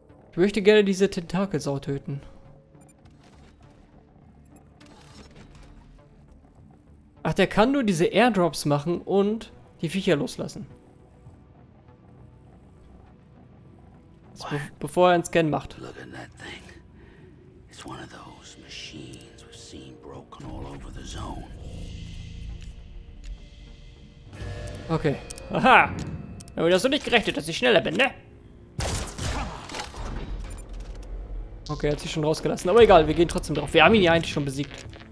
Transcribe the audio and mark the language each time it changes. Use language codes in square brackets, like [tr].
[de] Ich möchte gerne diese Tentakelsau töten. Ach, der kann nur diese Airdrops machen und die Viecher loslassen. Bevor er einen Scan macht. [en] Look at that thing. It's one of those machines we've seen broken all over the zone. Okay. Aha! [de] Damit hast du nicht gerechnet, dass ich schneller bin, ne? Okay, er hat sich schon rausgelassen. Aber egal, wir gehen trotzdem drauf. Wir haben ihn ja eigentlich schon besiegt.